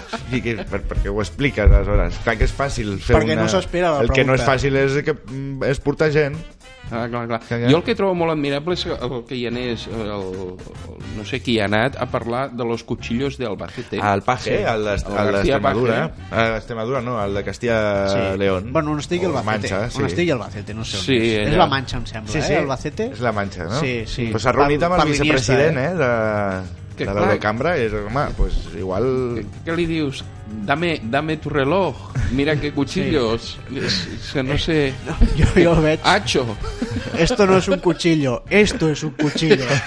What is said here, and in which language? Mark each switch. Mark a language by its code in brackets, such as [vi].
[ca] perquè ho expliques, aleshores. Clar que és fàcil fer perquè una... no s'espera la el pregunta. Que no és fàcil és que és portar gent. Ah, clar. Jo el que trobo molt admirable és el que hi anés, no sé qui ha anat, a parlar de [es] los cuchillos de Albacete. [ca] El Paje, el d'Extremadura. A Extremadura, no, el de Castilla León. Bueno, on estigui Albacete. Sí. On estigui Albacete, no sé on sí, és. La Mancha, em sembla, sí, sí. Eh? Albacete. És la Mancha, no? Sí, sí. Pues s'ha reunit amb el vicepresident, de... Que, la de cambra és, home, pues igual... Què li dius? [es] Dame tu reloj. Mira que cuchillos. Sí. Es que no sé... No, [ca] jo el veig... Hacho. [es] Esto no es un cuchillo. Esto es un cuchillo.